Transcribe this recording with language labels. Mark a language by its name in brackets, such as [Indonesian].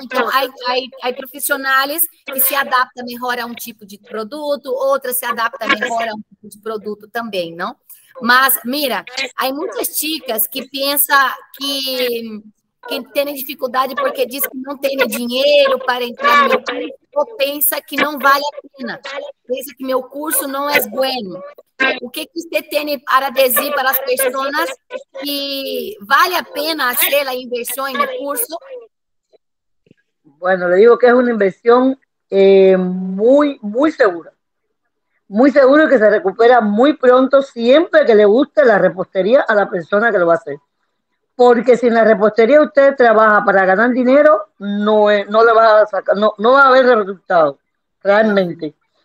[Spanish] Entonces hay profesionales que se adaptan mejor a un tipo de producto, otras se adaptan mejor a un tipo de producto también, ¿no? Mas mira, hay muchas chicas que piensan que tienen dificultad porque dicen que no tienen dinero para entrar en mi curso o piensan que no vale la pena, piensan que mi curso no es bueno. [Portuguese] O que você tem para dizer para as pessoas que vale a pena fazer a inversão no curso? [Spanish] Bueno, le digo que es una inversión muy, muy segura. muy seguro que se recupera muy pronto, siempre que le guste la repostería a la persona que lo va a hacer. Porque si en la repostería usted trabaja para ganar dinero, no le va a sacar, no va a haber resultado, realmente.